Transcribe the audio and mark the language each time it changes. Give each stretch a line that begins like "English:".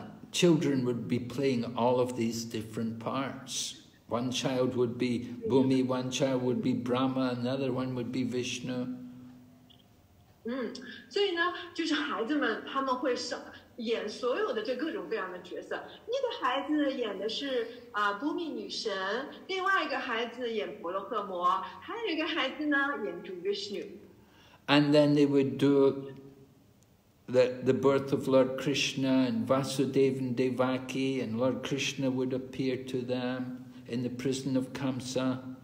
English: Children would be playing all of these different parts. One child would be Bhumi, one child would be Brahma, another one would be Vishnu.
Chinese: 所以呢，就是孩子们，他们会演所有的这各种各样的角色。你的孩子演的是Bhumi女神，另外一个孩子演婆罗诃摩，还有一个孩子呢演主Vishnu.
English: And then they would do the birth of Lord Krishna and Vasudeva and Devaki, and Lord Krishna would appear to them in the prison of Kamsa.